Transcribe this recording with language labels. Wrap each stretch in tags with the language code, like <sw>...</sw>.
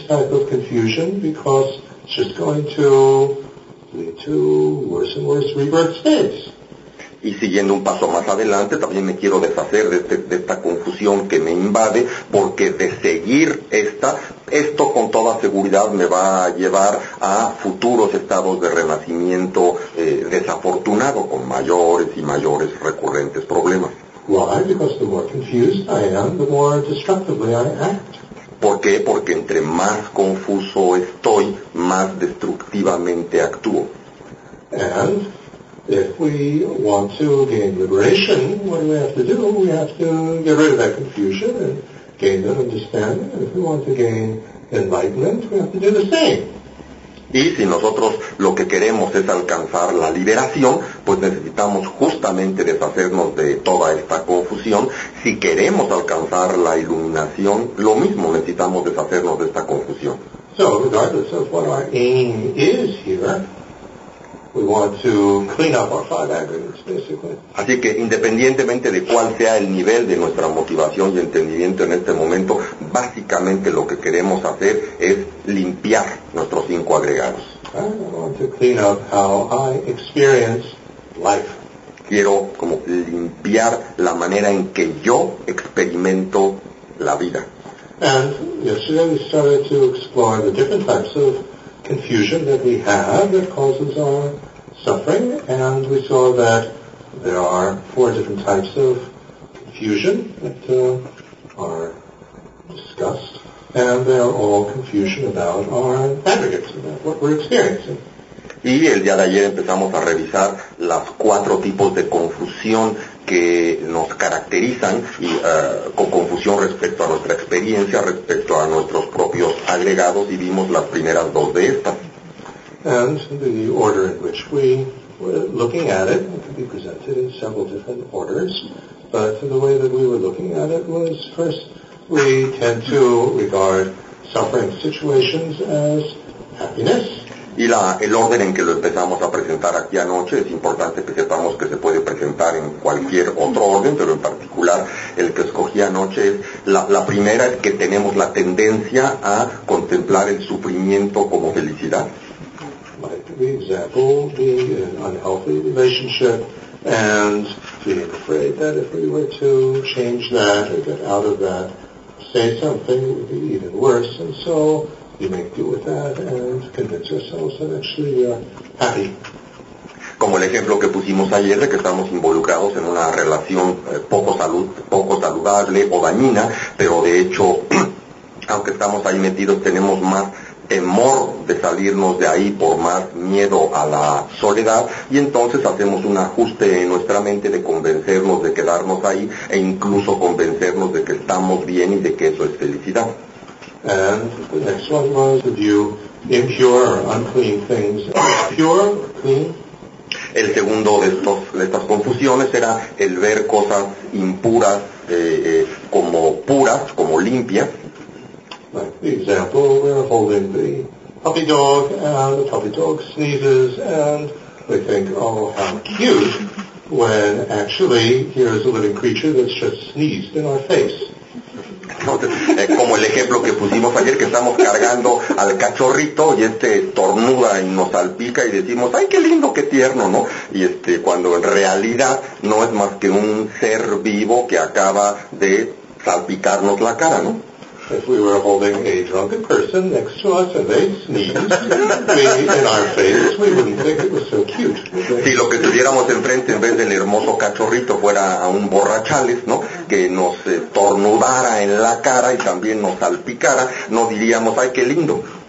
<en>It's just going to lead to worse and worse rebirth states.</en> <es>Y siguiendo un paso más adelante, también me quiero deshacer de, este, de esta confusión que me invade, porque de seguir esta, esto con toda seguridad me va a llevar a futuros estados de renacimiento desafortunado, con mayores y mayores recurrentes problemas.</es> <en>Why? Because the more confused I am, the more destructively I act.</en> <es>¿Por qué? Porque entre más confuso estoy, más destructivamente actúo.</es> <en>And if we want to gain liberation, what do we have to do? We have to get rid of that confusion and gain that understanding. And if we want to gain enlightenment, we have to do the same.</en> <es>Y si nosotros lo que queremos es alcanzar la liberación, pues necesitamos justamente deshacernos de toda esta confusión. Si queremos alcanzar la iluminación, lo mismo, necesitamos deshacernos de esta confusión.</es> <en>So, regardless of what our aim is here, we want to clean up our five aggregates, basically.</en> <es>Así que independientemente de cuál sea el nivel de nuestra motivación y entendimiento en este momento, básicamente lo que queremos hacer es limpiar nuestros cinco agregados.</es> <en>I want to clean up how I experience life.</en> <es>Quiero como limpiar la manera en que yo experimento la vida.</es> <en>And yesterday we started to explore the different types of confusion that we have that causes our suffering, and we saw that there are four different types of confusion that are discussed, and they are all confusion about our aggregates, about what we're experiencing.</en> <es>Y el día de ayer empezamos a revisar las cuatro tipos de confusión que nos caracterizan y con confusión respecto a nuestra experiencia, respecto a nuestros propios agregados, y vimos las primeras dos de estas.</es> <en>And the order in which we were looking at it, it could be presented in several different orders, but the way that we were looking at it was, first, we tend to regard suffering situations as happiness.</en> <es>Y la, el orden en que lo empezamos a presentar aquí anoche, es importante que sepamos que se puede presentar en cualquier otro orden, pero en particular el que escogí anoche es, la primera es que tenemos la tendencia a contemplar el sufrimiento como felicidad.</es> <en>Like the example, being in an unhealthy relationship and being afraid that if we were to change that or get out of that, say something, it would be even worse, and so you make do with that and convince yourselves that actually you're happy.</en> <es>Como el ejemplo que pusimos ayer de que estamos involucrados en una relación poco saludable o dañina, pero de hecho, aunque estamos ahí metidos, tenemos más temor de salirnos de ahí por más miedo a la soledad, y entonces hacemos un ajuste en nuestra mente de convencernos de quedarnos ahí e incluso convencernos de que estamos bien y de que eso es felicidad.</es> <en>And the next one was to view impure or unclean things as pure or clean.</en> <es>El segundo de estas confusiones era el ver cosas impuras como puras, como limpias.</es> <en>Like the example, we're holding the puppy dog and the puppy dog sneezes and we think, oh, how cute, when actually here's a living creature that's just sneezed in our face.</en> <es>Entonces, como el ejemplo que pusimos ayer, que estamos cargando al cachorrito y este tornuda y nos salpica y decimos, ¡ay, qué lindo, qué tierno!, ¿no? Y cuando en realidad no es más que un ser vivo que acaba de salpicarnos la cara, ¿no?</es> <en>If we were holding a drunken person next to us and they sneezed, we, in our face, we wouldn't think it was so cute.</en> <es>Si lo que tuviéramos enfrente en vez del hermoso cachorrito fuera a un borrachales, ¿no? que nos tornudara en la cara y también nos salpicara, no diríamos, ¡ay, qué lindo!</es>